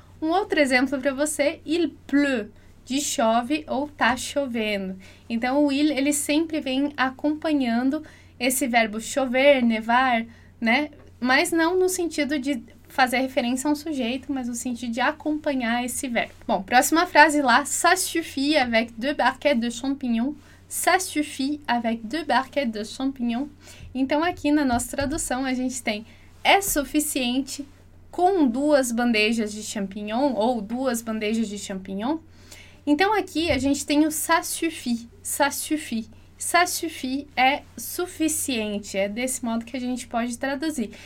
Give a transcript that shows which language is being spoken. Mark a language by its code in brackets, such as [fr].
[pt] Um outro exemplo para você, [fr] il pleut, [pt] de chove ou tá chovendo. Então, o il, ele sempre vem acompanhando esse verbo chover, nevar, né? Mas não no sentido de fazer referência a um sujeito, mas no sentido de acompanhar esse verbo. Bom, próxima frase lá, [fr] ça suffit avec deux barquettes de champignons. Ça suffit avec deux barquettes de champignons. [pt] Então, aqui na nossa tradução, a gente tem é suficiente com duas bandejas de champignon ou duas bandejas de champignon. Então, aqui a gente tem o [fr] ça suffit, ça suffit. Ça suffit [pt] é suficiente, é desse modo que a gente pode traduzir.